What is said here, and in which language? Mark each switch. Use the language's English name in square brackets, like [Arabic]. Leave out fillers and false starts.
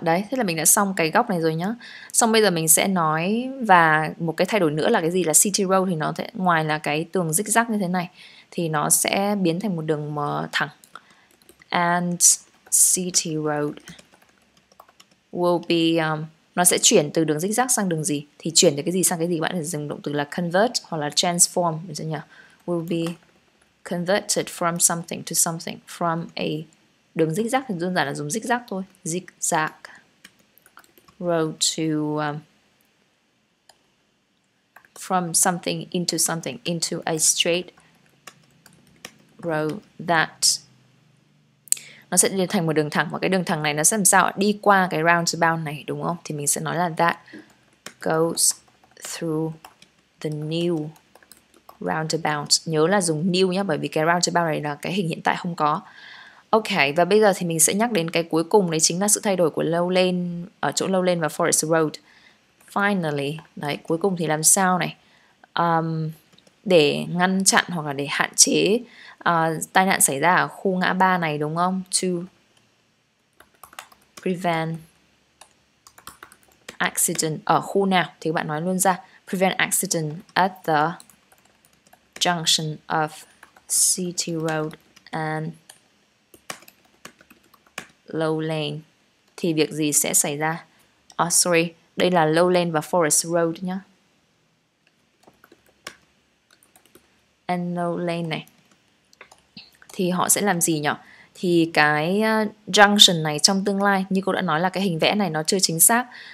[Vietnamese] Đấy, thế là mình đã xong cái góc này rồi nhá. Xong bây giờ mình sẽ nói và một cái thay đổi nữa là cái gì, là city road thì nó sẽ ngoài là cái tường zig zag như thế này thì nó sẽ biến thành một đường mờ thẳng. [English] And city road will be [Vietnamese] nó sẽ chuyển từ đường zigzag sang đường gì? Thì chuyển từ cái gì sang cái gì? Các bạn sẽ dùng động từ là convert hoặc là transform. Được chưa nhỉ? [English] Will be converted from something to something. From a [Vietnamese] đường zigzag thì đơn giản là dùng zigzag thôi. [English] Zigzag road to from something into something. Into a straight road that. [Vietnamese] Nó sẽ trở thành một đường thẳng. Và cái đường thẳng này nó sẽ làm sao? Đi qua cái roundabout này đúng không? Thì mình sẽ nói là [English] that goes through the new roundabout. [Vietnamese] Nhớ là dùng new nhé, bởi vì cái roundabout này là cái hình hiện tại không có. Ok, và bây giờ thì mình sẽ nhắc đến cái cuối cùng. Đấy chính là sự thay đổi của Low Lane, ở chỗ Low Lane và Forest Road. Finally, đấy, cuối cùng thì làm sao này? Để ngăn chặn hoặc là để hạn chế tai nạn xảy ra ở khu ngã ba này đúng không? [English] To prevent accident [Vietnamese] ở khu nào? Thì các bạn nói luôn ra. [English] Prevent accident at the junction of City Road and Low Lane. [Vietnamese] Thì việc gì sẽ xảy ra? [English] Oh sorry, [Vietnamese] đây là Low Lane và Forest Road nhá. And Low Lane này thì họ sẽ làm gì nhỉ? Thì cái junction này trong tương lai, như cô đã nói là cái hình vẽ này nó chưa chính xác.